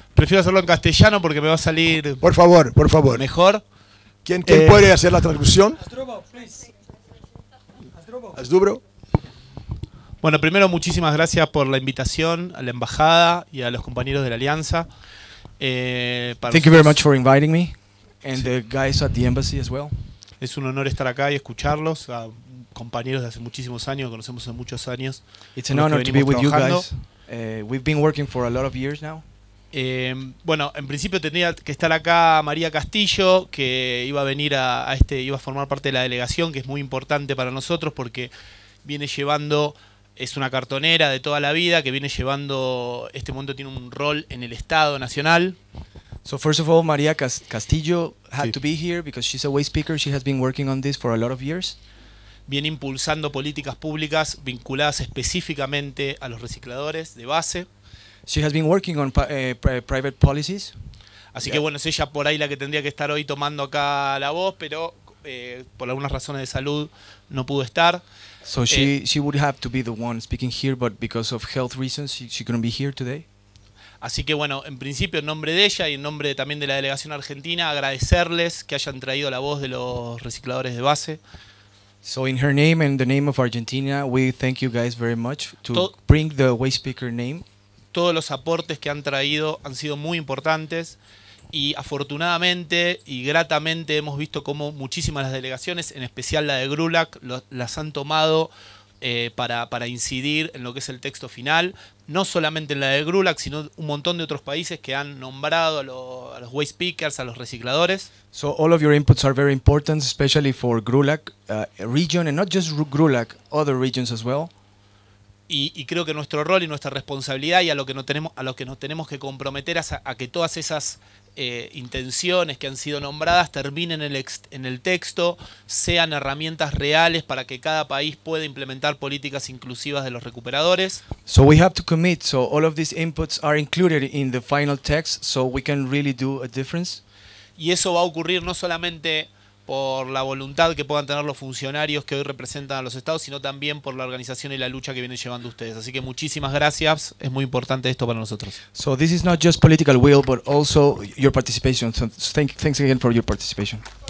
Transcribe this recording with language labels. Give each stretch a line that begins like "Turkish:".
Spanish: Prefiero hacerlo en castellano porque me va a salir. Por favor, por favor. Mejor. ¿Quién puede hacer la traducción? Asdrubo. Bueno, primero muchísimas gracias por la invitación a la embajada y a los compañeros de la alianza.
English: Thank you very much for inviting me and the guys at the embassy as well.
Spanish: Es un honor estar acá y escucharlos. Compañeros de hace muchísimos años, conocemos hace muchos años.
English: It's an honor to be with you guys. We've been working for a lot of years now.
Spanish: Bueno, en principio tendría que estar acá María Castillo, que iba a venir a este, iba a formar parte de la delegación, que es muy importante para nosotros porque viene llevando, es una cartonera de toda la vida, que viene llevando, este momento tiene un rol en el Estado Nacional.
English: So first of all, María Castillo had to be here because she's a waste picker, she has been working on this for a lot of years.
Spanish: Viene impulsando políticas públicas vinculadas específicamente a los recicladores de base.
English: She has been working on private policies.
Spanish: Así que bueno, es ella por ahí la que tendría que estar hoy tomando acá la voz, pero por algunas razones de salud no pudo estar.
English: So she would have to be the one speaking here, but because of health reasons she couldn't be here today.
Spanish: Así que bueno, en principio en nombre de ella y en nombre también de la delegación argentina, agradecerles que hayan traído la voz de los recicladores de base.
English: So in her name and the name of Argentina, we thank you guys very much to bring the waste speaker name.
Spanish: Todos los aportes que han traído han sido muy importantes y afortunadamente y gratamente hemos visto cómo muchísimas las delegaciones, en especial la de GRULAC, las han tomado para incidir en lo que es el texto final, no solamente en la de GRULAC, sino un montón de otros países que han nombrado a los
English: waste speakers,
Spanish: a los recicladores.
English: So all of your inputs are very important, especially for GRULAC region and not just GRULAC, other regions as well.
Spanish: Y creo que nuestro rol y nuestra responsabilidad y a lo que nos tenemos que comprometer es a que todas esas intenciones que han sido nombradas terminen en el texto, sean herramientas reales para que cada país pueda implementar políticas inclusivas de los recuperadores.
English: So we have to commit, so all of these inputs are included in the final text, so we can really do a difference.
Spanish: Y eso va a ocurrir no solamente por la voluntad que puedan tener los funcionarios que hoy representan a los estados, sino también por la organización y la lucha que vienen llevando ustedes. Así que muchísimas gracias. Es muy importante esto para nosotros.
English: So this is not just political will, but also your participation. So thanks again for your participation.